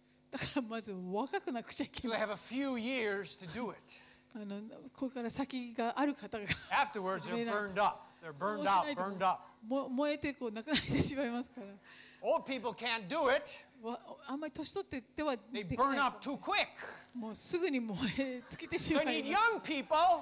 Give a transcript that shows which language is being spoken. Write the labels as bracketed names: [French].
[Japanese] だからまず若くなくちゃいけない。 [English] So they have a few years to do it. [Japanese] ここから先がある方が。 [English] Afterwards, they're burned up. They're burned out, burned up. [Japanese] 燃えてこうなくなってしまいますから。 [English] Old people can't do it. [Japanese] あんまり年取ってはできない。 [English] They burn up too quick. [Japanese] もうすぐに燃え尽きてしまいます。 [English] I need young people